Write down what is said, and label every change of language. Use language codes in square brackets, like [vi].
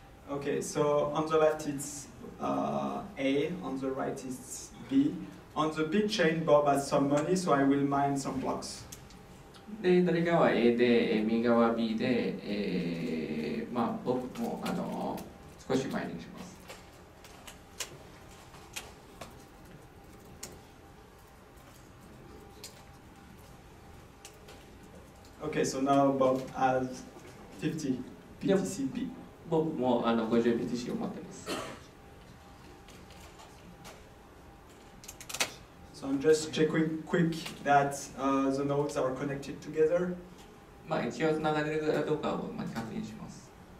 [en] Okay, so on the left it's A, on the right it's B. On the B chain, Bob has some money, so I will mine some blocks. [ja] で、左側A で、右側Bで、僕も少しマイニングします。 [en] Okay, so now Bob has 50 BTCB. Yep. [ja] 僕も50BTCを持ってます。 [en] So I'm just checking quick that the nodes are connected together. [ja] まあ一応繋がれるかどうかを確認します。